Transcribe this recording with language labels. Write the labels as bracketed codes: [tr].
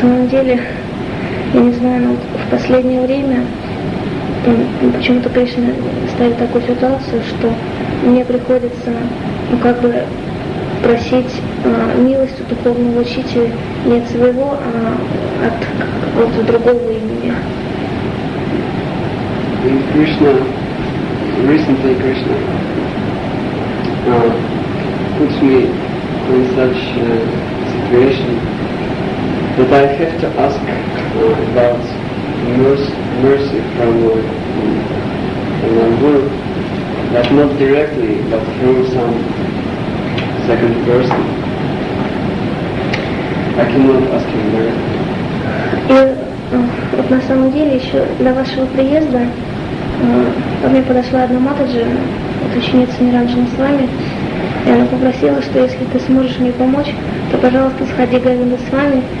[ru] Я не знаю, но в последнее время почему-то Кришна ставит такую ситуацию, что мне приходится как бы просить милость у духовного учителя не от своего, а от какого-то другого имени. [en] Кришна, recently Кришна puts me in such a situation that I have to ask about mercy from Lord in my guru, but not directly, but through some second person. I cannot ask him directly. [ru] И вот на самом деле еще до вашего приезда ко мне подошла одна матаджи, ученица Ниранджана с вами, и она попросила, что если ты сможешь мне помочь, то пожалуйста сходи к Говинда с вами.